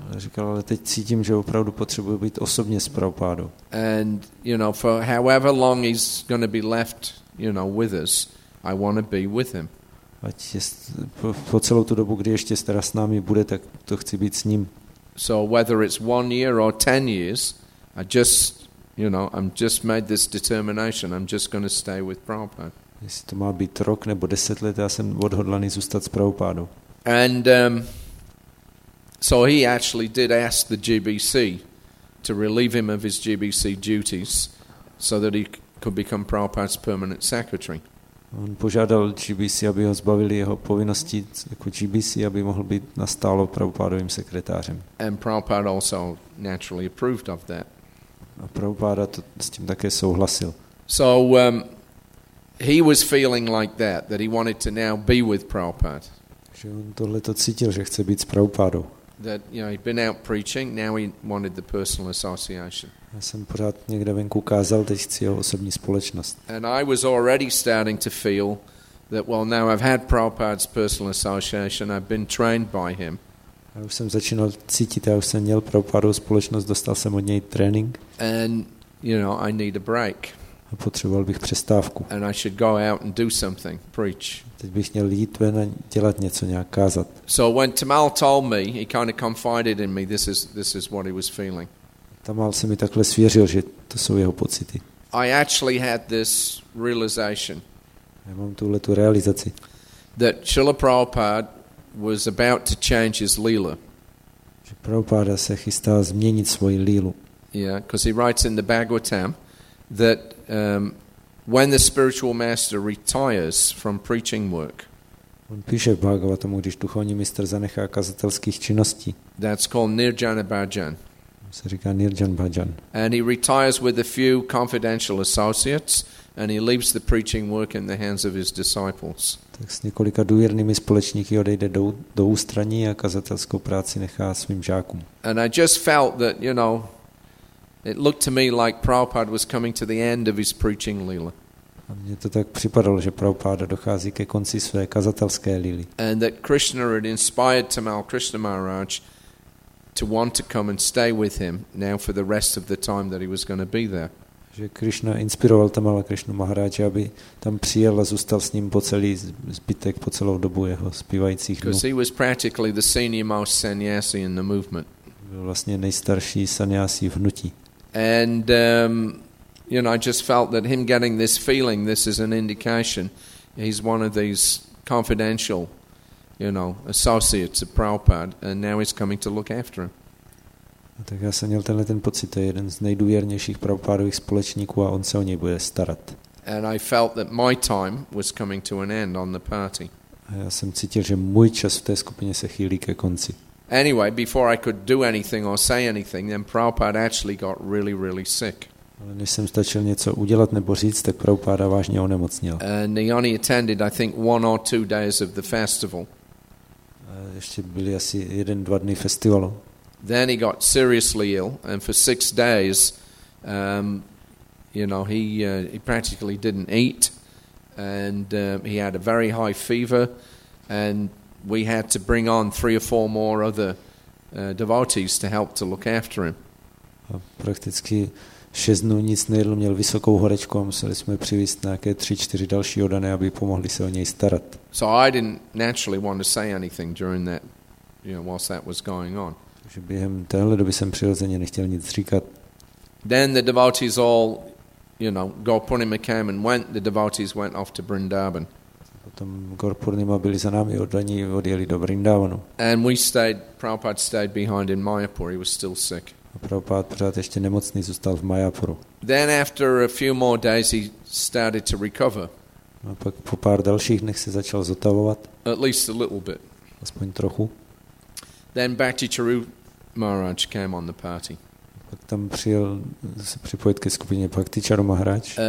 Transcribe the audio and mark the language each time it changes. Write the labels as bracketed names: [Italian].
[Czech] A říkal, ale teď cítím, že opravdu potřebuji být osobně s Prabhupádou. [English] And you know, for however long he's going to be left, you know, with us, I want to be with him. [Czech] Ať po celou tu dobu, kdy ještě teda s námi bude, tak to chci být s ním. [English] So whether it's 1 year or 10 years, I just, you know, I'm just made this determination. I'm just going to stay with Prabhupada. [Czech] Jestli to má být rok nebo 10 let, já jsem odhodlaný zůstat s Prabhupádou. [English] And so he actually did ask the GBC to relieve him of his GBC duties so that he could become Prabhupada's permanent secretary. [Czech] On požádal GBC, aby ho zbavili jeho povinností jako GBC, aby mohl být nastálo Prabhupádovým sekretářem. [English] And Prabhupada also naturally approved of that. [Czech] A Prabhupáda to s tím také souhlasil. [English] So he was feeling like that he wanted to now be with Prabhupada. [Czech] Že on tohle to cítil, že chce být s Prabhupádou. [English] That, you know, he'd been out preaching, now he wanted the personal association. [Czech] Já jsem pořád někde venku kázal, teď chci jeho osobní společnost. [English] And I was already starting to feel that, well, now I've had Prabhupada's personal association, I've been trained by him. [Czech] Já už jsem začínal cítit, já už jsem měl Prabhupádovou společnost, dostal jsem od něj trénink. [English] And, you know, I need a break. [Czech] A potřeboval bych přestávku. [English] And I should go out and do something, preach. [Czech] Teď bych měl jít ven a dělat něco, nějak kázat. [English] So when Tamal told me, he kind of confided in me, this is what he was feeling. [Czech] Tamal se mi takhle svěřil, že to jsou jeho pocity. [English] I actually had this realization. [Czech] Já mám tuhle tu realizaci. [English] That Srila Prabhupada was about to change his lila. [Czech] Že Prabhupada se chystá změnit svoji lílu. [English] Yeah, because he writes in the Bhagavatam that when the spiritual master retires from preaching work, [Czech] on píše v Bhagavatamu, když duchovní mistr zanechá kazatelských činností. [English] That's called Nirjana Bhajan. [Czech] Se říká Nirjan Bhajan. [English] And he retires with a few confidential associates and he leaves the preaching work in the hands of his disciples. [Czech] Tak s několika důvěrnými společníky odejde do ústraní a kazatelskou práci nechá svým žákům. [English] And I just felt that, you know, it looked to me like Prabhupada was coming to the end of his preaching lila. [Czech] A mně to tak připadalo, že Prabhupada dochází ke konci své kazatelské lily. [English] And that Krishna had inspired Tamal Krishna Maharaj to want to come and stay with him now for the rest of the time that he was going to be there. [Czech] Že Krishna inspiroval Tamala Krishnu Maharaja, aby tam přijel a zůstal s ním po celý zbytek, po celou dobu jeho zpívajících dnů. [English] Because he was practically the senior most sannyasi in the movement. [Czech] Byl vlastně nejstarší sannyasi v hnutí. [English] And you know, I just felt that him getting this feeling, this is an indication he's one of these confidential, you know, associates of Prabhupada, and now he's coming to look after him. [Czech] A tak já jsem měl tenhle ten pocit, to je jeden z nejdůvěrnějších Prabhupádových společníků a on se o něj bude starat. [English] And I felt that my time was coming to an end on the party. [Czech] A já jsem cítil, že můj čas v té skupině se chýlí ke konci. [English] Anyway, before I could do anything or say anything, then Prabhupada actually got really, really sick. [Czech] Ale než jsem stačil něco udělat nebo říct, tak Prabhupada vážně onemocněl. [English] And he only attended, I think, 1 or 2 days of the festival. [Czech] Ještě byly asi 1-2 dny festivalu. [English] Then he got seriously ill, and for 6 days, he practically didn't eat, and he had a very high fever, and we had to bring on 3 or 4 more other devotees to help to look after him. [Czech] Prakticky 6 dnů nic nejedl, měl vysokou horečku a museli jsme přivést nějaké 3-4 další oddané, aby pomohli se o něj starat. [English] So I didn't naturally want to say anything during that, you know, whilst that was going on. [Czech] Že během téhle doby jsem přirozeně nechtěl nic říkat. [English] Then the devotees all, you know, Gaurpurnima came and went. The devotees went off to Vrindavan. [Czech] Potom Gaurpurnima byli za námi oddaní, odjeli do Vrindavanu. [English] And we stayed. Prabhupada stayed behind in Mayapur. He was still sick. [Czech] A Prabhupada pořád ještě nemocný zůstal v Mayapuru. [English] Then after a few more days, he started to recover. [Czech] A pak po pár dalších dnech se začal zotavovat. [English] At least a little bit. [Czech] Aspoň trochu. [English] Then Bhakti Charu Maharaj came on the party. [Czech] Pak tam přijel se připojit ke skupině Bhakti Charu Maharaj.